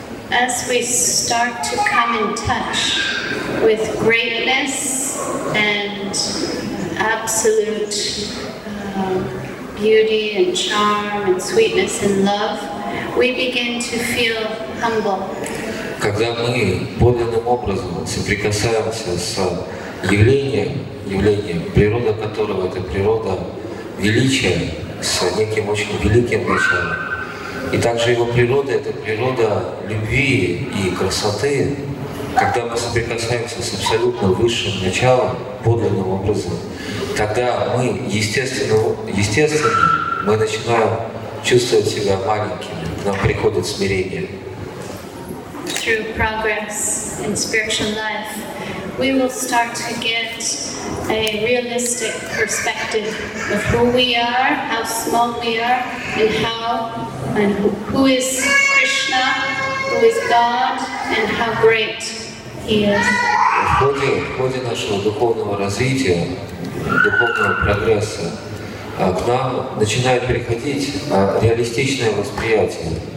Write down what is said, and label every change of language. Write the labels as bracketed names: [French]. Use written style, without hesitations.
[English] As we start to come in touch with greatness and absolute beauty and charm and sweetness and love, we begin to feel humble. [Russian] Когда мы подлинным образом соприкасаемся с явлением, природа которого — это природа величия, с неким очень великим началом, и также его природа — это природа любви и красоты, когда мы соприкасаемся с абсолютно высшим началом подлинным образом, тогда мы естественно мы начинаем чувствовать себя маленькими, к нам приходит смирение. [English] Through progress in spiritual life, we will start to get a realistic perspective of who we are, how small we are, and how, and who is Krishna, who is God, and how great He is. [Russian] В ходе нашего духовного развития, духовного прогресса, к нам начинает приходить реалистичное восприятие.